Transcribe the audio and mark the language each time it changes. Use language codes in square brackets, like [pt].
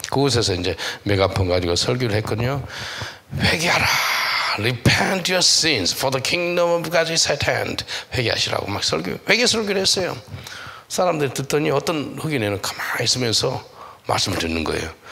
[ko] 그곳에서 이제 메가폰 가지고 설교를 했거든요. 회개하라. [en] Repent your sins for the kingdom of God is at hand. [ko] 회개하시라고 막 설교, 회개 설교를 했어요. 사람들이 듣더니 어떤 흑인에는 가만히 있으면서 말씀을 듣는 거예요.